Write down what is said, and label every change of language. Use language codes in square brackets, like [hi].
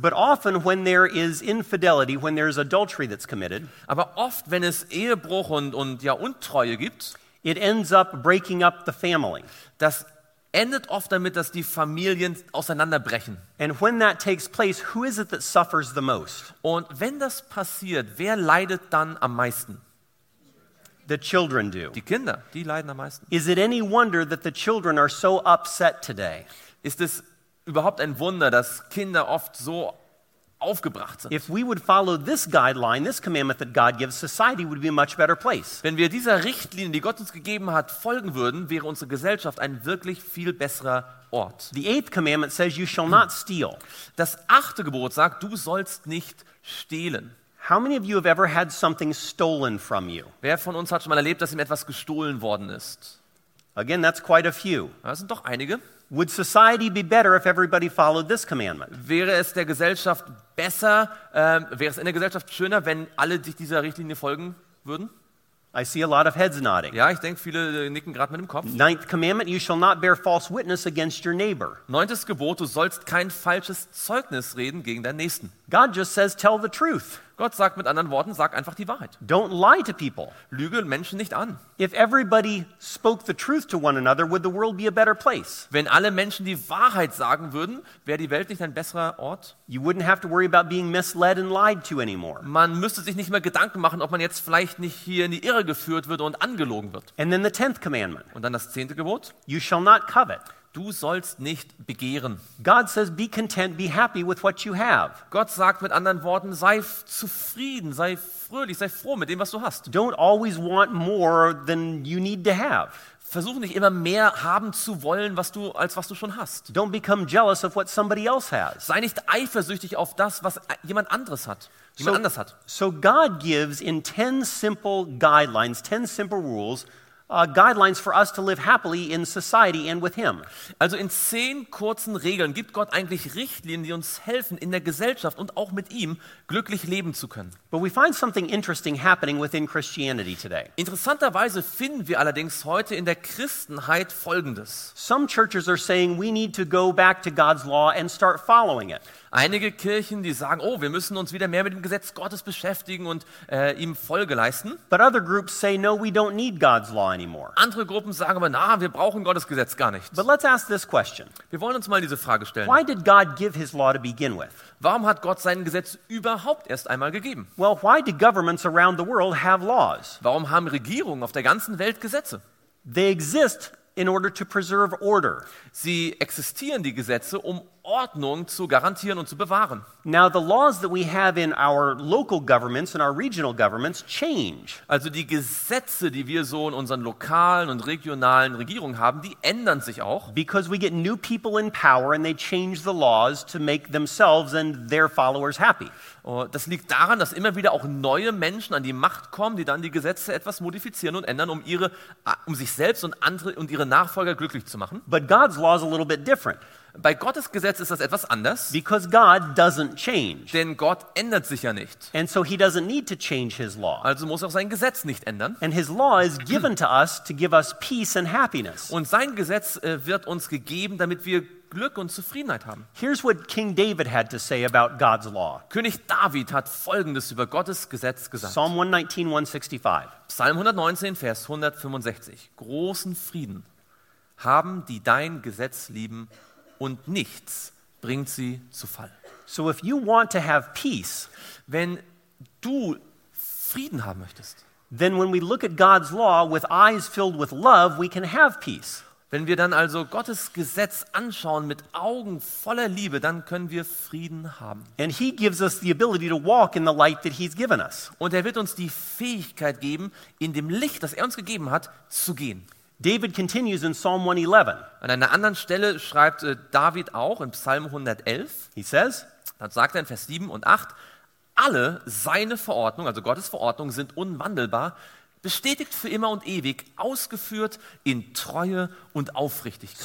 [en] But often when there is infidelity, when there is adultery that's committed. [de] Aber oft, wenn es Ehebruch und ja Untreue gibt, [en] it ends up breaking up the family. [de] Das endet oft damit, dass die Familien auseinanderbrechen. [en] And when that takes place, who is it that suffers the most? [de] Und wenn das passiert, wer leidet dann am meisten? [en] The children do. [de] Die Kinder, die leiden am meisten. [en] Is it any wonder that the children are so upset today? [de] Ist es überhaupt ein Wunder, dass Kinder oft so aufgebracht sind? [en] If we would follow this guideline, this commandment that God gives, society would be a much better place. [de] Wenn wir dieser Richtlinie, die Gott uns gegeben hat, folgen würden, wäre unsere Gesellschaft ein wirklich viel besserer Ort. [en] The eighth commandment says you shall not steal. [de] Das achte Gebot sagt, du sollst nicht stehlen. [en] How many of you have ever had something stolen from you? [de] Wer von uns hat schon mal erlebt, dass ihm etwas gestohlen worden ist? [en] Again, that's quite a few. [de] Das sind doch einige. [en] Would society be better if everybody followed this commandment? [de] Wäre es der Gesellschaft besser, wäre es in der Gesellschaft schöner, wenn alle sich dieser Richtlinie folgen würden? [en] I see a lot of heads nodding. [de] Ja, ich denke, viele nicken gerade mit dem Kopf. [en] Ninth commandment, you shall not bear false witness against your neighbor. [de] Neuntes Gebot, du sollst kein falsches Zeugnis reden gegen deinen Nächsten. [en] God just says, tell the truth. [de] Gott sagt mit anderen Worten, sag einfach die Wahrheit. [en] Don't lie to people. [de] Lüge Menschen nicht an. [en] If everybody spoke the truth to one another, would the world be a better place? [de] Wenn alle Menschen die Wahrheit sagen würden, wäre die Welt nicht ein besserer Ort? [en] You wouldn't have to worry about being misled and lied to anymore. [de] Man müsste sich nicht mehr Gedanken machen, ob man jetzt vielleicht nicht hier in die Irre geführt wird und angelogen wird. [en] And then the tenth commandment. [de] Und dann das zehnte Gebot. [en] You shall not covet. [de] du sollst nicht begehren. [en] God says, be content, be happy with what you have. [de] Gott sagt mit anderen Worten, sei zufrieden, sei fröhlich, sei froh mit dem, was du hast. [en] Don't always want more than you need to have. [de] Versuch nicht immer mehr haben zu wollen, was du, als was du schon hast. [en] Don't become jealous of what somebody else has. [de] Sei nicht eifersüchtig auf das, was jemand anderes hat. Jemand anders hat. [en] So God gives in 10 simple guidelines, 10 simple rules, guidelines for us to live happily in society and with him. [de] Also in 10 kurzen Regeln gibt Gott eigentlich Richtlinien, die uns helfen, in der Gesellschaft und auch mit ihm glücklich leben zu können. [en] But we find something interesting happening within Christianity today. [de] Interessanterweise finden wir allerdings heute in der Christenheit Folgendes. [en] Some churches are saying we need to go back to God's law and start following it. [de] Einige Kirchen, die sagen, oh, wir müssen uns wieder mehr mit dem Gesetz Gottes beschäftigen und ihm Folge leisten. [en] But other groups say, no, we don't need God's law anymore. [de] Andere Gruppen sagen aber, na, wir brauchen Gottes Gesetz gar nicht. [en] But let's ask this question. [de] Wir wollen uns mal diese Frage stellen. [en] Why did God give his law to begin with? [de] Warum hat Gott sein Gesetz überhaupt erst einmal gegeben? [en] Well, why do governments around the world have laws? [de] Warum haben Regierungen auf der ganzen Welt Gesetze? [en] They exist in order to preserve order. [de] Sie existieren, die Gesetze, um Ordnung zu garantieren und zu bewahren. [en] Now the laws that we have in our local governments and our regional governments change. [de] Also die Gesetze, die wir so in unseren lokalen und regionalen Regierungen haben, die ändern sich auch. [en] Because we get new people in power and they change the laws to make themselves and their followers happy. [de] Das liegt daran, dass immer wieder auch neue Menschen an die Macht kommen, die dann die Gesetze etwas modifizieren und ändern, um sich selbst und andere und ihre Nachfolger glücklich zu machen. [en] But God's law is a little bit different. [de] Bei Gottes Gesetz ist das etwas anders. [en] Because God doesn't change. [de] Denn Gott ändert sich ja nicht. [en] And so he doesn't need to change his law. [de] Also muss auch sein Gesetz nicht ändern. [en] And his law is given to us to give us peace and happiness. [de] Und sein Gesetz wird uns gegeben, damit wir Glück und Zufriedenheit haben. [en] Here's what King David had to say about God's law. [de] König David hat Folgendes über Gottes Gesetz gesagt. [en] Psalm 119:165. [de] Psalm 119, Vers 165. Großen Frieden haben die dein Gesetz lieben. Und nichts bringt sie zu Fall. [en] So if you want to have peace, [de] wenn du Frieden haben möchtest, [en] then when we look at God's law with eyes filled with love, we can have peace. [de] Wenn wir dann also Gottes Gesetz anschauen mit Augen voller Liebe, dann können wir Frieden haben. [en] And he gives us the ability to walk in the light that he's given us. [de] Und er wird uns die Fähigkeit geben, in dem Licht, das er uns gegeben hat, zu gehen. [en] David continues in Psalm 111. [de] An einer anderen Stelle schreibt David auch in Psalm 111. [en] He says, [de] dann sagt er in Vers 7 und 8, alle seine Verordnungen, also Gottes Verordnungen, sind unwandelbar, bestätigt für immer und ewig, ausgeführt in Treue und Aufrichtigkeit.